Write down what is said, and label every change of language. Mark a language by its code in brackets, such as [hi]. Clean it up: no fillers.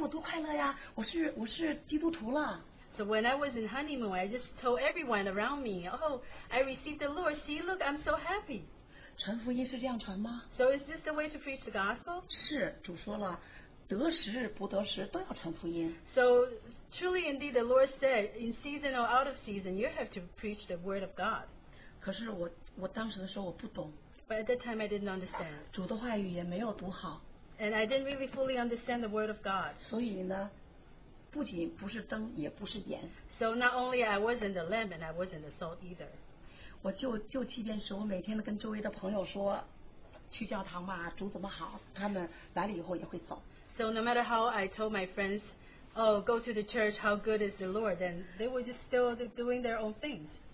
[zh] 我在那个蜜月期的时候，我真的是，我告诉所有的人都说，哎，我信主了，你看我多快乐呀，我是基督徒了。 [en] So when I was in honeymoon, I just told everyone around me, oh, I received the Lord. See, look, I'm so happy. [zh] 传福音是这样传吗？ [en] So is this the way to preach the gospel? [zh] 是，主说了，得时不得时都要传福音。 [en] So truly indeed, the Lord said, in season or out of season, you have to preach the word of God. [zh] 可是我当时的时候我不懂。 [en] But at that time, I didn't understand. [zh] 主的话语也没有读好。 [en] And I didn't really fully understand the word of God. [zh] 所以呢, 不仅不是灯, 也不是盐。 [en] So not only I wasn't the lamp and I wasn't the salt either. [zh] 我就即便是我每天跟周围的朋友说, 去教堂嘛, 主怎么好, 他们来了以后也会走。 [en] So no matter how I told my friends, oh, go to the church, how good is the Lord, then they were just still doing their own things.